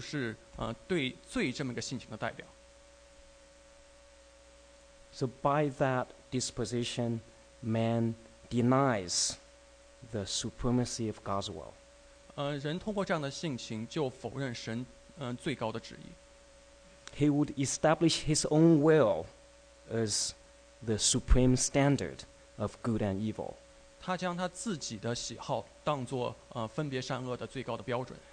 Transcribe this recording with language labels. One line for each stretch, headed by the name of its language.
Chinese: 分别善恶树就是对罪这么个性情的代表。
English: So by that disposition, man denies the supremacy of God's will.
Chinese: 人通过这样的性情就否认神最高的旨意。
English: He would establish his own will as the supreme standard of good and evil.
Chinese: 他将他自己的喜好当作分别善恶的最高的标准。